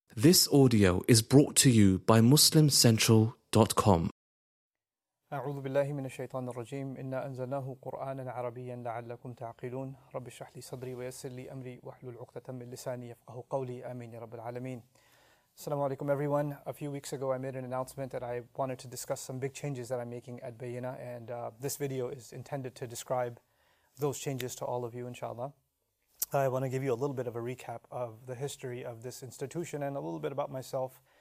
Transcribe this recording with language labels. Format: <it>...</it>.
<en>This audio is brought to you by MuslimCentral.com.</en> <ar>أعوذ بالله من الشيطان الرجيم إنا أنزلناه قرآنا عربيا لعلكم تعقلون رب اشرح لي صدري ويسر لي أمري واحلل عقدة من لساني يفقهوا قولي آمين يا رب العالمين.</ar> <en>Assalamu alaikum everyone. A few weeks ago I made an announcement that I wanted to discuss some big changes that I'm making at Bayina, and this video is intended to describe those changes to all of you inshallah. I want to give you a little bit of a recap of the history of this institution and a little bit about myself.</en>